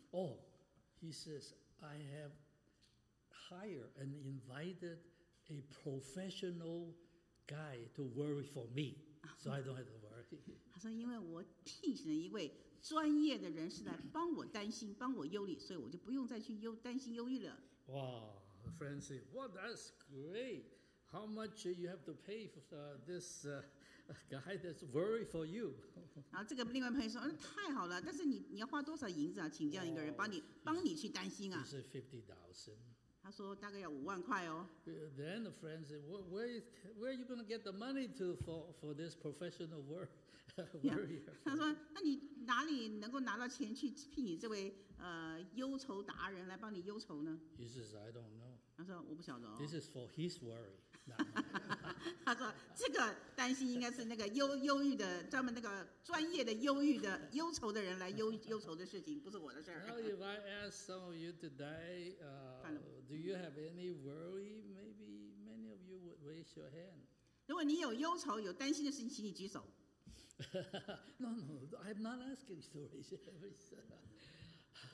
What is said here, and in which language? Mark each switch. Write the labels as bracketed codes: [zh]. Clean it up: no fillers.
[en] Oh, he says, I have hired and invited a professional guy to worry for me, so I don't have to worry. [zh] 他说，因为我聘请了一位专业的人士来帮我担心，帮我忧虑，所以我就不用再去担心忧虑了。 [en] Wow, the friend said, well, that's great. How much you have to pay for this guy that's worried for you? [zh] 然后这个另外朋友说，太好了，但是你要花多少银子啊？请这样一个人帮你去担心啊？是50,000。他说大概要50,000块哦。 [en] Then the friend said, where are you going to get the money to for this professional worrier? [zh] 他说，那你哪里能够拿到钱去聘你这位忧愁达人来帮你忧愁呢？ [en] He says, I don't know. [zh] 他说我不晓得哦。 [en] This is for his worry. [zh] 他说这个担心应该是那个忧郁的专门那个专业的忧郁的忧愁的人来忧愁的事情，不是我的事儿。 [en] Now if I ask some of you today, do you have any worry? Maybe many of you would raise your hand. [zh] 如果你有忧愁有担心的事情，请你举手。 [en] No, I'm not asking you to raise your hand.